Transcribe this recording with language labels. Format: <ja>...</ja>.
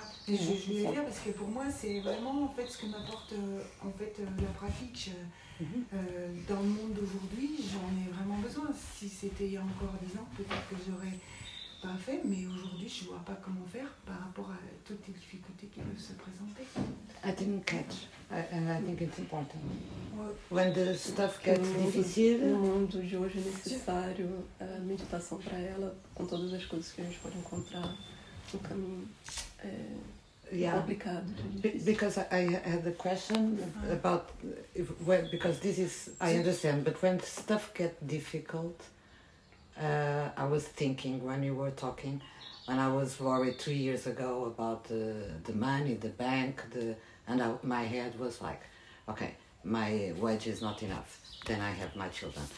<fr>Et je voulais dire parce que pour moi, c'est vraiment en fait ce que m'apporte en fait la pratique dans le monde d'aujourd'hui. J'en ai vraiment besoin. Si c'était il y a encore 10 ans, peut-être que j'aurais pas fait, mais aujourd'hui je vois pas comment faire par rapport à toutes les difficultés qui peuvent se présenter.</fr> <en>I didn't catch, and I think it's important. When the stuff gets difficile.</en> <pt>No mundo de hoje é necessário a meditação para ela, com todas as coisas que a gente pode encontrar no caminho. Complicado.</pt> <en>Because I had a question about because this is I understand, but when the stuff gets difficult. I was thinking when you were talking, when I was worried 2 years ago about the money, the bank, my head was like, okay, my wage is not enough. Then I have my children.</en>